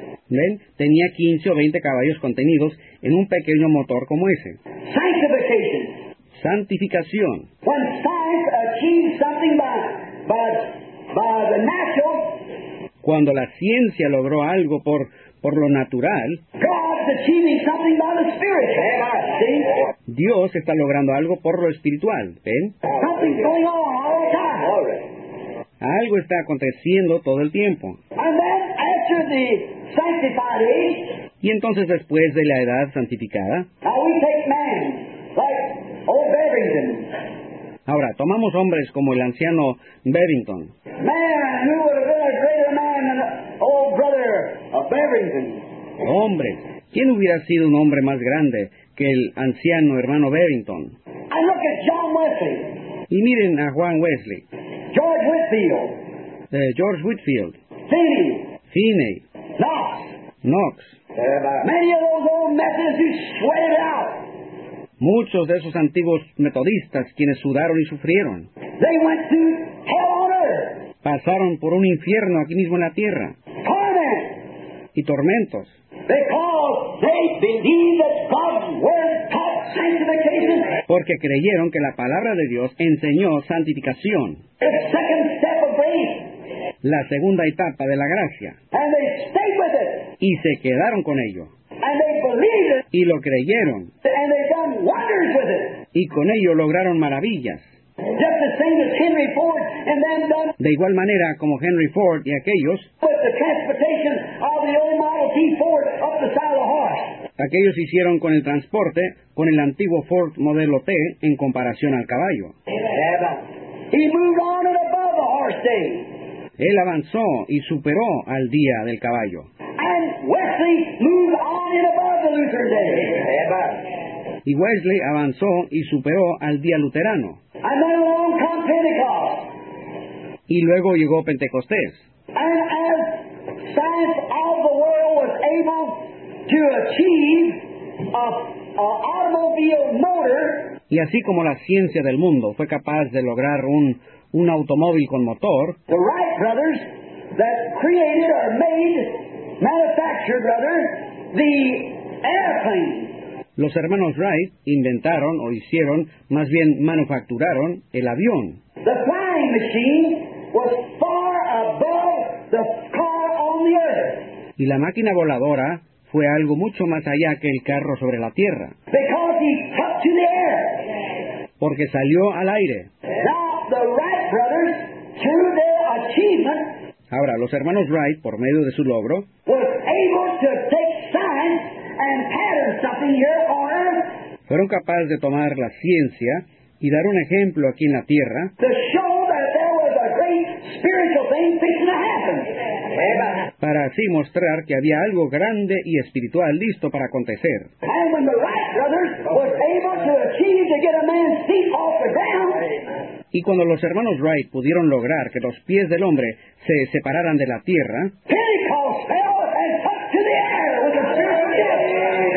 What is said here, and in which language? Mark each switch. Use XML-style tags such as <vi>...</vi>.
<es>¿Ven? Tenía 15 o 20 caballos contenidos en un pequeño motor como ese.</es> <en>Sanctification.</en> <es>Santificación.</es> <en>When science achieves something by the natural.</en> <es>Cuando la ciencia logró algo por lo natural,</es> <en>God's achieving something by the spiritual.</en> <es>Dios está logrando algo por lo espiritual, ¿ven?</es> <en>Something's going on all the time.</en> <es>Algo está aconteciendo todo el tiempo.</es> <en>And then after the sanctified age,</en> <es>y entonces después de la edad santificada,</es> <en>now we take man, like old Barrington.</en> <es>Ahora, tomamos hombres como el anciano Bevington.</es> <en>Man, who would have been a greater man than old above even.</en> <es>Hombre, ¿quién hubiera sido un hombre más grande que el anciano hermano Barrington?</es> <en>I look at John Wesley.</en> <es>Y miren a Juan Wesley.</es> <en>George Whitfield.</en> <es>George Whitfield.</es> <en>Finney.</en> <es>Finney.</es> <en>Knox.</en> <es>Knox.</es> <en>Many of those old Methodists who sweated out.</en> <es>Muchos de esos antiguos metodistas quienes sudaron y sufrieron.</es> <en>They went to hell on earth.</en> <es>Pasaron por un infierno aquí mismo en la tierra.</es> <en>Torment.</en> <es>Y tormentos.</es> <en>Because they believed that God's word taught sanctification.</en> <es>Porque creyeron que la palabra de Dios enseñó santificación.</es> <en>The second step of grace.</en> <es>La segunda etapa de la gracia.</es> <en>And they stayed with it.</en> <es>Y se quedaron con ello.</es> <en>And they believed it.</en> <es>Y lo creyeron.</es> <en>And they done wonders with it.</en> <es>Y con ello lograron maravillas.</es> <en>Just the same as Henry Ford and them done.</en> <es>De igual manera como Henry Ford y aquellos.</es> <en>Put the transportation of the old Model T Ford up the side of the horse.</en> <es>Aquellos hicieron con el transporte con el antiguo Ford modelo T en comparación al caballo.</es> <en>He moved on and above the horse day.</en> <es>Él avanzó y superó al día del caballo.</es> <en>And Wesley moved on and above the Lutheran day.</en> <es>Y Wesley avanzó y superó al día luterano.</es> <en>And then along came Pentecost.</en> <es>Y luego llegó Pentecostés.</es> <en>And as science of the world was able to achieve an automobile motor.</en> <es>Y así como la ciencia del mundo fue capaz de lograr un automóvil con motor.</es> <en>The Wright brothers that created or made, manufactured rather, the airplane.</en> <es>Los hermanos Wright inventaron o hicieron, más bien manufacturaron, el avión.</es> <en>The flying machine was far above the car on the earth.</en> <es>Y la máquina voladora fue algo mucho más allá que el carro sobre la tierra.</es> <en>Because he took to the air.</en> <es>Porque salió al aire.</es> <en>Now the Wright brothers, through their achievement,</en> <es>ahora, los hermanos Wright, por medio de su logro,</es> <en>were able to take science and pattern something here on earth.</en> <es>Fueron capaces de tomar la ciencia y dar un ejemplo aquí en la tierra.</es> <en>To show that there was a great spiritual thing fixing to happen.</en> <es>Para así mostrar que había algo grande y espiritual listo para acontecer.</es> <en>And when the Wright brothers was able to achieve to get a man's feet off the ground.</en> <es>Y cuando los hermanos Wright pudieron lograr que los pies del hombre se separaran de la tierra.</es> <en>Pentecost fell and touched to the air with a spiritual gift.</en>